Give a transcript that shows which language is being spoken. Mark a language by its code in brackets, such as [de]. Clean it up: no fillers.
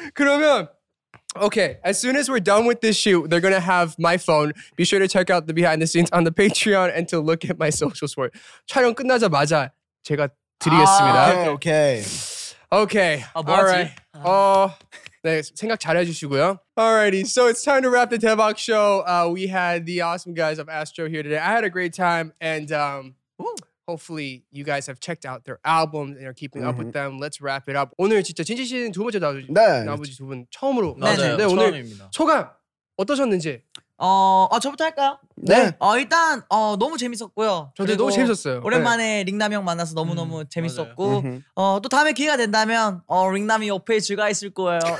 [ko] 그러면, [en] okay, as soon as we're done with this shoot, they're going to have my phone. Be sure to check out the behind the scenes on the Patreon and to look at my social support. [ko] 촬영 끝나자마자 제가 드리겠습니다. 오케이. 아, 뭐하지? [en] Right. [ko] 네, 생각 잘해주시고요. [en] Alrighty, so it's time to wrap the Tevok show. We had the awesome guys of Astro here today. I had a great time and hopefully you guys have checked out their albums and are keeping up with them. Let's wrap it up. [ko] 오늘 진짜 진지신 두 번째 나오지 나머지 두 분 처음으로. 맞아요. 네, 오늘 소감 어떠셨는지? 저부터 할까요? 네. 일단 너무 재밌었고요. 저도 너무 재밌었어요. 오랜만에 네. 링남이 형 만나서 너무너무 재밌었고 또 다음에 기회가 된다면 링남이 옆에 제가 있을 거예요.